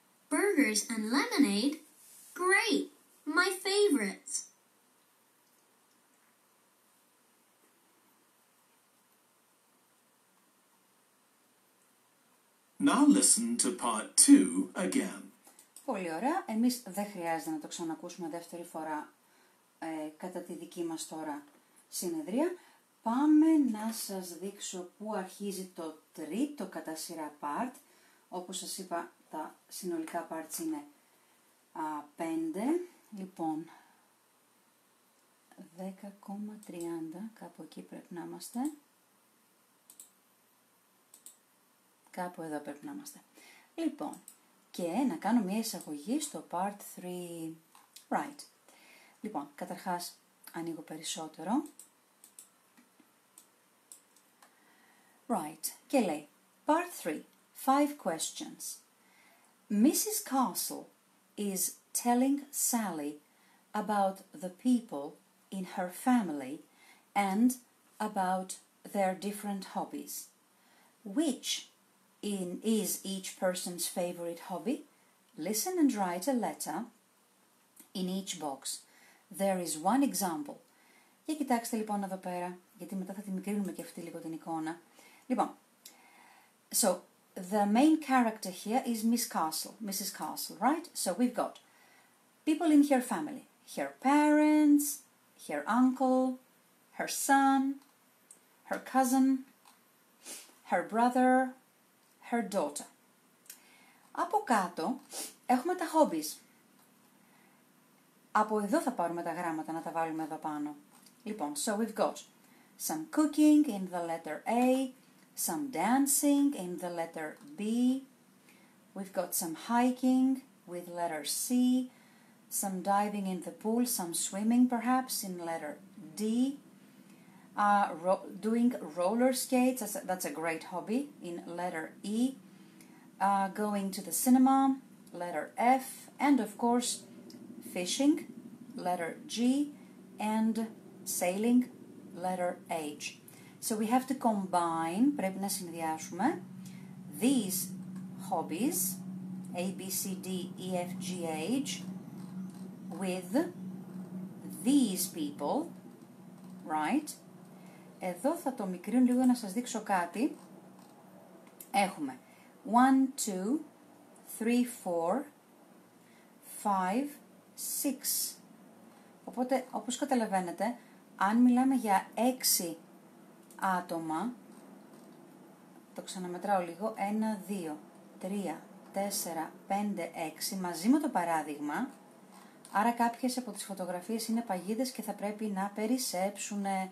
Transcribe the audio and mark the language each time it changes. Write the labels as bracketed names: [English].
[English] Burgers and lemonade? Great! My favorites! Now listen to part 2 again. [Greek] Πολύ ωραία. Εμείς δεν χρειάζεται να το ξανακούσουμε δεύτερη φορά. Κατά τη δική μας τώρα συνεδρία, πάμε να σας δείξω πού αρχίζει το τρίτο κατά σειρά part. Όπως σας είπα, τα συνολικά parts είναι 5, λοιπόν, 10,30, κάπου εκεί πρέπει να είμαστε. Κάπου εδώ πρέπει να είμαστε. Λοιπόν, και να κάνω μια εισαγωγή στο part 3. Right. Λοιπόν, καταρχάς ανοίγω περισσότερο. [English] Right. [Greek] Και λέει, [English] part 3, 5 questions. Mrs. Castle is telling Sally about the people in her family and about their different hobbies. Which is each person's favorite hobby? Listen and write a letter in each box. There is one example. [Greek] Και κοιτάξτε λοιπόν εδώ πέρα, γιατί μετά θα την μικρύνουμε και αυτή λίγο την εικόνα. [English] Λοιπόν, so the main character here is Miss Castle, Mrs. Castle, right? So we've got people in her family, her parents, her uncle, her son, her cousin, her brother, her daughter. [Greek] Από κάτω έχουμε τα hobbies. Από εδώ θα πάρουμε τα γράμματα να τα βάλουμε εδώ πάνω. [English] Λοιπόν, so we've got some cooking in the letter A, some dancing in the letter B, we've got some hiking with letter C, some diving in the pool, some swimming perhaps in letter D, doing roller skates, that's a great hobby, in letter E, going to the cinema, letter F, and of course fishing, letter G, and sailing, letter H. So we have to combine, [Greek] πρέπει να συνδυάσουμε, [English] these hobbies, A, B, C, D, E, F, G, H, with these people, right? [Greek] Εδώ θα το μικρύνω λίγο να σας δείξω κάτι. Έχουμε 1, 2, 3, 4, 5, 6. Οπότε, όπως καταλαβαίνετε, αν μιλάμε για 6 άτομα, το ξαναμετράω λίγο, 1, 2, 3, 4, 5, 6, μαζί με το παράδειγμα, άρα κάποιες από τις φωτογραφίες είναι παγίδες και θα πρέπει να περισσέψουν.